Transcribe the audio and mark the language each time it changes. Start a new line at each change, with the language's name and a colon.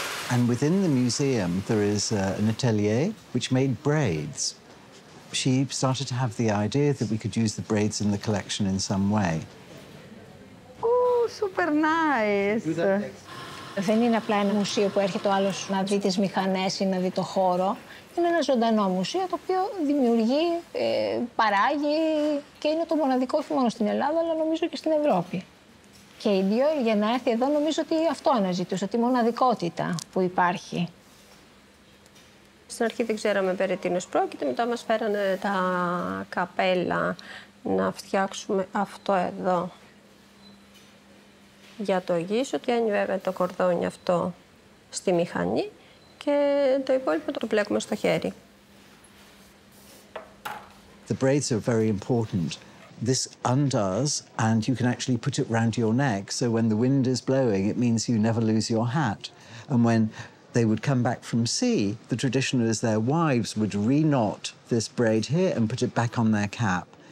English: And within the museum, there is an atelier which made braids. She started to have the idea that we could use the braids in the collection in some way. Oh, super nice. Do that next.
Greek: Δεν είναι απλά ένα μουσείο που έρχεται ο άλλος να δει τις μηχανές ή να δει το χώρο. Είναι ένα ζωντανό μουσείο το οποίο δημιουργεί, παράγει και είναι το μοναδικό όχι μόνο στην Ελλάδα αλλά νομίζω και στην Ευρώπη. Και η Dior για να έρθει εδώ νομίζω ότι αυτό αναζητούσε, τη μοναδικότητα που υπάρχει. Στην αρχή δεν ξέραμε περί τίνος πρόκειται, μετά μας φέρανε τα καπέλα να φτιάξουμε αυτό εδώ. Για το γύσο, πιάνει βέβαια το κορδόνι αυτό στη μηχανή και το υπόλοιπο το πλέκουμε στο χέρι.
English: The braids are very important. This undoes and you can actually put it round your neck, so when the wind is blowing it means you never lose your hat. And when they would come back from sea, the tradition is their wives would re-knot this braid here and put it back on their cap.